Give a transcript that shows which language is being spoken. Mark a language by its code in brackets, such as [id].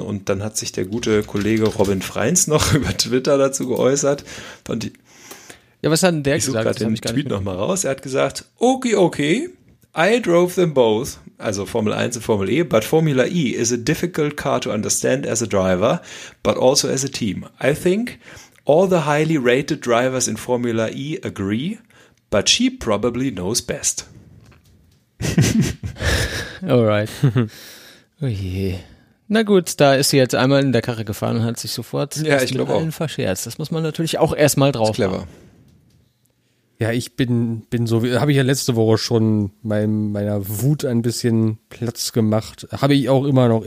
[de] Und dann hat sich der gute Kollege Robin Freins noch über Twitter dazu geäußert. Ja, was hat denn der gesagt? Ich suche gerade den Tweet nochmal raus. Er hat gesagt, okay, [en] I drove them both, [de] also Formel 1 und Formel E, [en] but Formula E is a difficult car to understand as a driver, but also as a team. I think all the highly rated drivers in Formula E agree, but she probably knows best. Alright. [de] Oh je. Na gut, da ist sie jetzt einmal in der Karre gefahren und hat sich sofort mit allen verscherzt. Das muss man natürlich auch erstmal drauf machen. Clever. Ja, ich bin so, habe ich ja letzte Woche schon meiner Wut ein bisschen Platz gemacht. Habe ich auch immer noch.